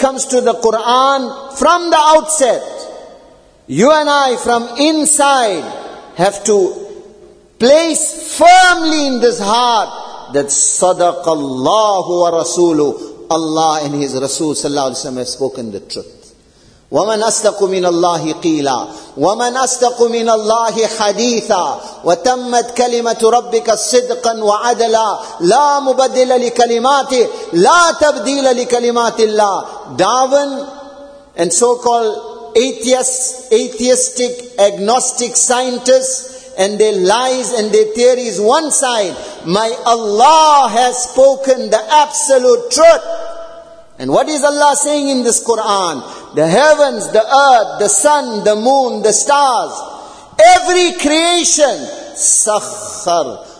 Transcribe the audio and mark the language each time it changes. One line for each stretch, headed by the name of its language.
English: When it comes to the Quran, from the outset, you and I from inside have to place firmly in this heart that Sadaqallahu wa Rasulu, Allah and His Rasul sallallahu alaihi wasallam have spoken the truth.
Arabic: وَمَنْ أَصْدَقُ مِنَ اللَّهِ قِيلًا وَمَنْ أَصْدَقُ مِنَ اللَّهِ حَدِيثًا وَتَمَّتْ كَلِمَةُ رَبِّكَ صِدْقًا وَعَدَلًا لَا مُبَدِّلَ لِكَلِمَاتِهِ لَا تَبْدِيلَ لِكَلِمَاتِ اللَّهِ.
English: Darwin and so-called atheistic, agnostic scientists and their lies and their theories one side. My Allah has spoken the absolute truth. And what is Allah saying in this Quran? The heavens, the earth, the sun, the moon, the stars, every creation, sakhkhar.